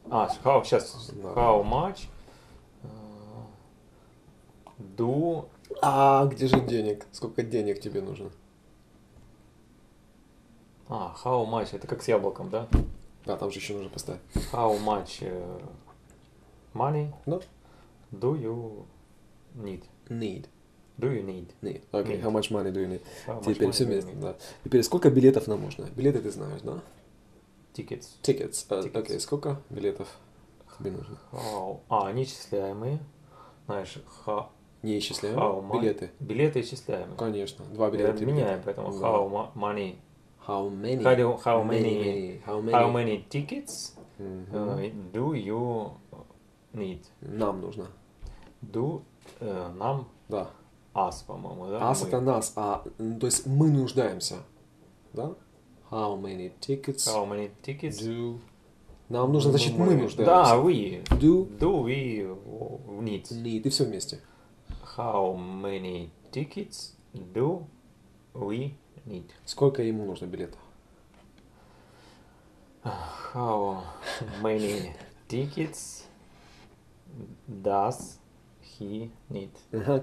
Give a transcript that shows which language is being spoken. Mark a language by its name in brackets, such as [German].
[English] А, how, [Russian] сейчас, [English] how much do... [Russian] А, где же денег? Сколько денег тебе нужно? А, [English] how much, [Russian] это как с яблоком, да? Да, там же еще нужно поставить. [English] How much money no. do you need? Need. Do you need? Need. Okay, need. How much money do you need? [Russian] Теперь все вместе, да. Теперь сколько билетов нам нужно? Билеты ты знаешь, да? [English] Tickets. Tickets. [Russian] Окей, okay, сколько билетов тебе нужно? [English] How... [Russian] А, неисчисляемые. Знаешь, how... Неисчисляемые? [English] How much... [Russian] Билеты. Билеты исчисляемые. Конечно, два билета. Я меняю, поэтому [English] yeah. how money... How many? How, do, how many, many, how many? How many tickets do you need? [Russian] Нам нужно. Do нам? Да. Us, по-моему, да. Us мы... это нас, а то есть мы нуждаемся, да? [English] How many tickets? How many tickets? [Russian] Do нам нужно, значит, мы нуждаемся. Да, we. [English] Do. Do we need? [Russian] Need и все вместе. [English] How many tickets do we? Need. [Russian] Сколько ему нужно билетов? [English] How many tickets does he need?